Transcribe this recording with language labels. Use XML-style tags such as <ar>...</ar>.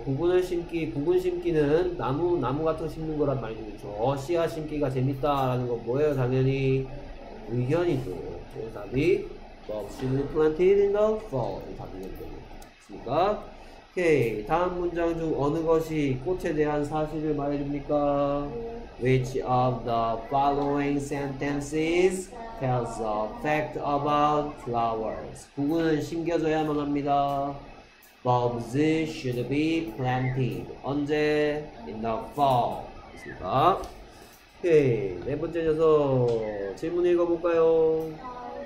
<ko>구근을 심기, 구근 심기는 나무 같은 거 심는 거란 말이죠. 그렇죠. 씨앗 심기가 재밌다라는 건 뭐예요? 당연히 의견이죠. 정답이 bulbs should be planted in the fall. 답이겠습니까? 오케이. 다음 문장 중 어느 것이 꽃에 대한 사실을 말해줍니까?</ko> <en>Which of the following sentences tells a fact about flowers?</en> <ko>구근은 심겨져야만 합니다.</ko> <en>Bulbs should be planted. 언제? In the fall. 됐습니다. 오케이.</en> <ko>네 번째 녀석. 질문 읽어볼까요?</ko>